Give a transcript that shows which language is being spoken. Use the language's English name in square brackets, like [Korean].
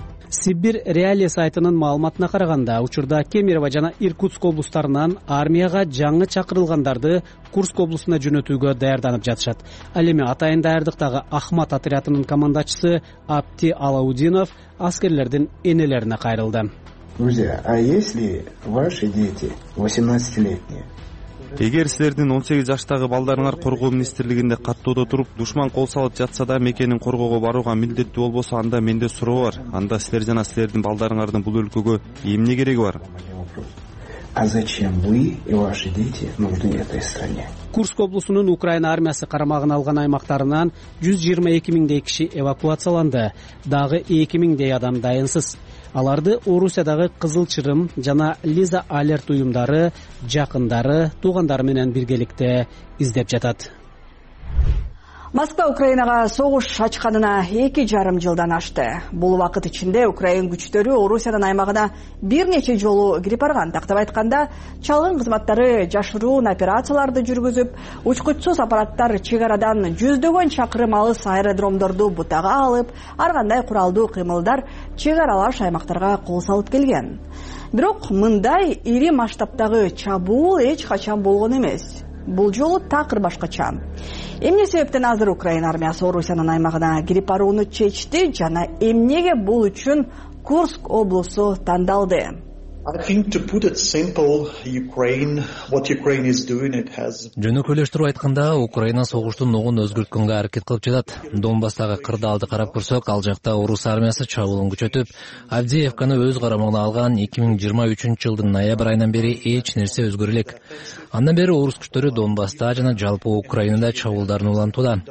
[Kyrgyz] Сибир Реалия сайтынын маалыматына караганда, учурда Кемерово жана Иркутск облустарынан армияга жаңы чакырылгандарды Курск облусуна жөнөтүүгө даярданып жатышат. Ал эми атайын даярдыктагы Ахмат отрядынын командачысы Апти Алаудинов аскерлердин энелерине кайрылды. [Russian] Друзья, а если ваши дети 18-летние, [Kyrgyz] Эгер силердин 18 жаштагы балдарыңар коргоо министрлигинде каттоодо туруп, душман кол салып жатса да мекенин коргоого барууга милдеттүү болбосо, анда менде суроо бар. Анда силер жана силердин балдарыңардын бул өлкөгө эмне кереги бар? [Russian] А зачем вы и ваши дети нужны этой стране? [Kyrgyz] Курск облусунун Украина армиясы карамагына алган аймактарынан 122 миңдей киши эвакуацияланды. Дагы 2 миңдей адам дайынсыз. Аларды Орусиядагы Кызыл Чырым жана Лиза Алерт уюмдары, жакындары, туугандары менен биргеликте издеп жатат. Москва Украинага согуш ачканына 2.5 жылдан ашты. Бул убакыт ичинде Украин күчтөрү Орусиянын аймагына бир нече жолу кирип барган. Тактап айтканда, чалгын кызматтары жашыруун операцияларды жүргүзүп, учкучсуз аппараттар чек арадан жүздөгөн чакырым алыс аэродромдорду бутага алып, ар кандай куралдуу кыймылдар чек аралаш аймактарга кол салып келген. Бирок мындай ири масштабтагы чабуул эч качан болгон эмес. Бул жолу такыр башкача. Эмне себептен азыр Украина армиясы Орусиянын аймагына кирип барууну чечти жана эмнеге бул үчүн Курск облусу тандалды? [English] I think to put it simple, Ukraine, what Ukraine is doing, it has... [Kyrgyz] Жөнөкөйлөштүрүп айтканда, Украина согуштун огун өзгөрткөнгө аракет кылып жатат. Донбастагы кырдаалды карап көрсөк, ал жакта орус армиясы чабуулун күчөтүп, Авдеевканы өз карамагына алган 2023 жылдын ноябрь айынан бери эч нерсе өзгөрө элек. Андан бери орус күчтөрү Донбаста жана жалпы Украинада чабуулдарын улантууда.